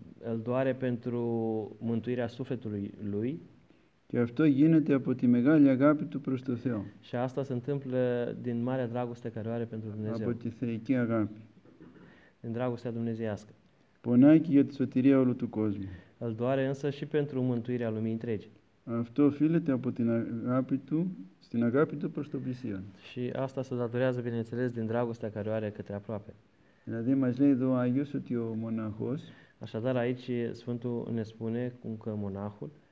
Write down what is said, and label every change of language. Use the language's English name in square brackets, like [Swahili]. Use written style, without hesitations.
[Romanian] Îl doare pentru mântuirea sufletului lui. [Greek] Και αυτό γίνεται από τη μεγάλη αγάπη του προς τον Θεό. [Romanian] Și asta se întâmplă din marea dragoste care o are pentru Dumnezeu. [Greek] Από τη θεϊκή αγάπη. [Romanian] În dragostea dumnezeiască. [Greek] Πονάει και για τη σωτηρία όλου του κόσμου. [Romanian] Îl doare însă și pentru mântuirea lumii întregi. [Greek] Αυτό οφείλεται από την αγάπη του, στην αγάπη του προς τον πλησίον. [Romanian] Și asta se datorează, bineînțeles, din dragostea care o are către aproape. [Greek] Δηλαδή μας λέει εδώ ο Άγιος ότι ο μοναχός [Romanian] Așadar, aici Sfântul ne spune cum că monahul